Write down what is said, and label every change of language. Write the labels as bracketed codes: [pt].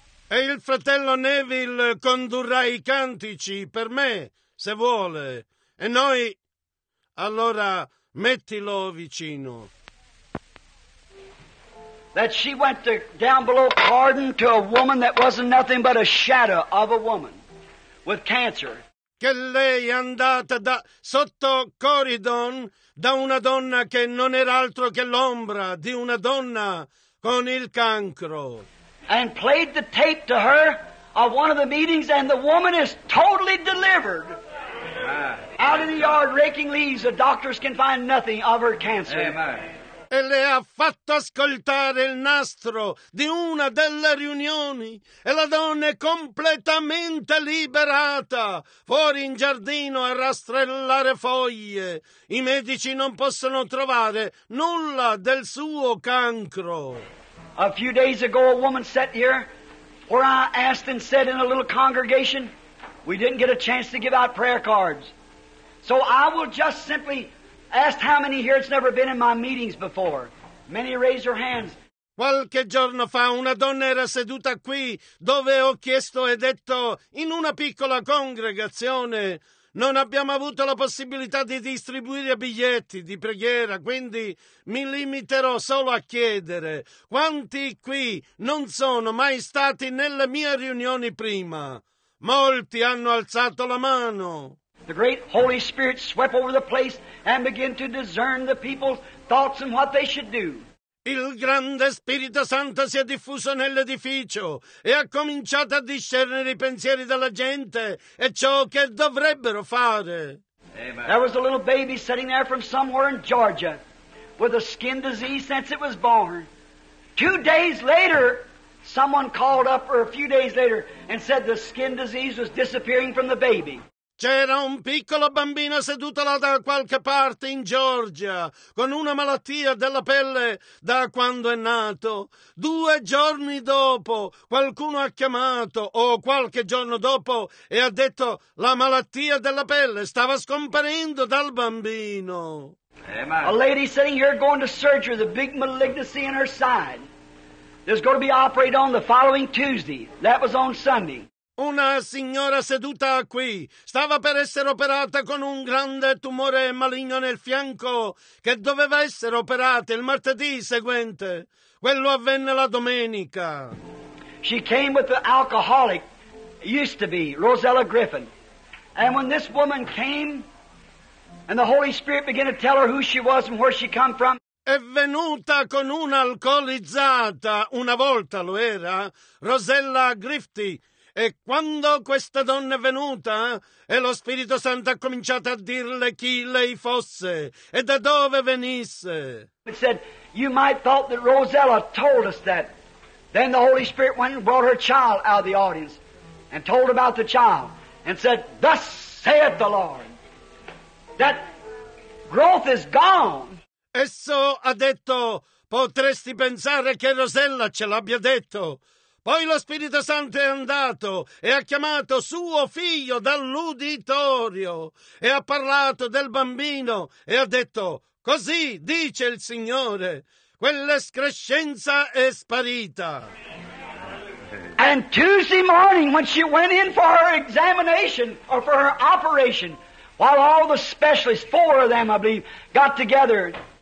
[it] E il fratello Neville condurrà i cantici per me, se vuole. E noi, allora, mettilo vicino. [en] That she went to, down below pardon to a woman that wasn't nothing but a shadow of a woman with cancer. [it] Che lei è andata da sotto Corydon da una donna che non era altro che l'ombra di una donna con il cancro. [en] And played the tape to her of one of the meetings, and the woman is totally delivered. Amen. Out in the yard raking leaves, the doctors can find nothing of her cancer. Amen. [it] e le ha fatto ascoltare il nastro di una delle riunioni e la donna è completamente liberata, fuori in giardino a rastrellare foglie. I medici non possono trovare nulla del suo cancro. [en] A few days ago a woman sat here where I asked and said in a little congregation, we didn't get a chance to give out prayer cards. So I will just simply ask how many here it's never been in my meetings before. Many raise their hands. [it] Qualche giorno fa una donna era seduta qui dove ho chiesto e detto in una piccola congregazione. Non abbiamo avuto la possibilità di distribuire biglietti di preghiera, quindi mi limiterò solo a chiedere. Quanti qui non sono mai stati nelle mie riunioni prima? Molti hanno alzato la mano. [en] The great Holy Spirit swept over the place and began to discern the people's thoughts and what they should do. [it] Il grande Spirito Santo si è diffuso nell'edificio e ha cominciato a discernere i pensieri della gente e ciò che dovrebbero fare. [en] Amen. There was a little baby sitting there from somewhere in Georgia with a skin disease since it was born. 2 days later, someone called up, or a few days later, and said the skin disease was disappearing from the baby. [it] C'era un piccolo bambino seduto là da qualche parte in Georgia con una malattia della pelle da quando è nato. 2 giorni dopo qualcuno ha chiamato o qualche giorno dopo e ha detto la malattia della pelle stava scomparendo dal bambino. [en] Amen. A lady sitting here going to surgery with a big malignancy in her side. There's going to be operated on the following Tuesday. That was on Sunday. [it] Una signora seduta qui stava per essere operata con un grande tumore maligno nel fianco che doveva essere operata il martedì seguente. Quello avvenne la domenica. [en] She came with the alcoholic, used to be, Rosella Griffin. And when this woman came and the Holy Spirit began to tell her who she was and where she come from, [it] è venuta con un'alcolizzata, una volta lo era, Rosella Grifty. E quando questa donna è venuta e lo Spirito Santo ha cominciato a dirle chi lei fosse e da dove venisse. [en] It said, you might thought that Rosella told us that. Then the Holy Spirit went and brought her child out of the audience and told about the child and said, thus saith the Lord, that growth is gone. [it] Esso ha detto, potresti pensare che Rosella ce l'abbia detto. Poi lo Spirito Santo è andato e ha chiamato suo figlio dall'uditorio e ha parlato del bambino e ha detto, così dice il Signore, quell'escrescenza è sparita. [en] And Tuesday morning when she went in for her examination or for her operation, while all the specialists, 4 of them I believe, got together.